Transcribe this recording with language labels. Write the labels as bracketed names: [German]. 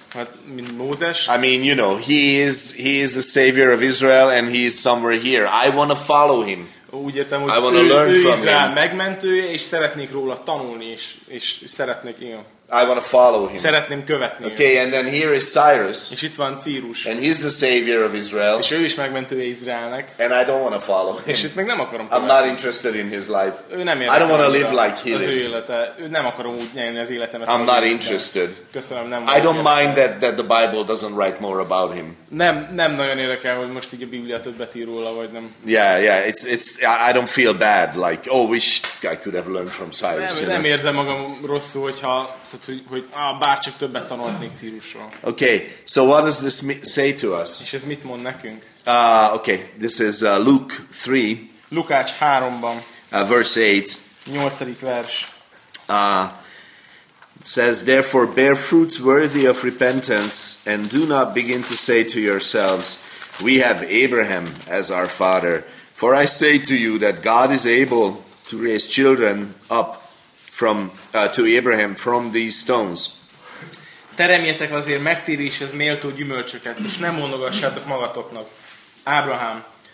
[English] I mean, you know, he is the savior of Israel and he is somewhere here. I want to follow him. [Hungarian] Úgy értem, hogy [English] I want to learn from him. [Hungarian] Izrael megmentője, és szeretnék róla tanulni, és szeretnék, igen. [English] I want to follow him. [Hungarian] Szeretném követni. [English] Okay, and then here is Cyrus. [Hungarian] És itt van Círus. [English] And he's the savior of Israel. [Hungarian] És ő is megmentője Izraelnek. [English] And I don't want to follow him. [Hungarian] És itt meg nem akarom követni. [English] I'm not interested in his life. [Hungarian] Ő nem érdekel. [English] I don't want to live like he lived. [Hungarian] Az ő élete. Ő nem akarom úgy élni az életemet. [English] I'm not interested. [Hungarian] Köszönöm, nem. [English] I don't mind that the Bible doesn't write more about him. [Hungarian] Nem nagyon érdekel, hogy most így a Biblia többet ír róla, vagy nem. [English] Yeah, it's I don't feel bad like oh wish I could have learned from Cyrus. [Hungarian] Nem érzem magam rosszul, hogyha hogy bárcsak többet tanulnék Círusról. [English] Okay, so what does this say to us? [Hungarian] És ez mit mond nekünk? [English] Okay, this is Luke 3. [Hungarian] Lukács 3-ban. [English] Verse 8. [Hungarian] 8. vers. [English] Says, therefore bear fruits worthy of repentance and do not begin to say to yourselves, we have Abraham as our father. For I say to you that God is able to raise children up to Abraham from these stones. [Hungarian] Teremjetek azért megtéréshez méltó gyümölcsöket, és nem mondogassátok magatoknak. Ábrahám.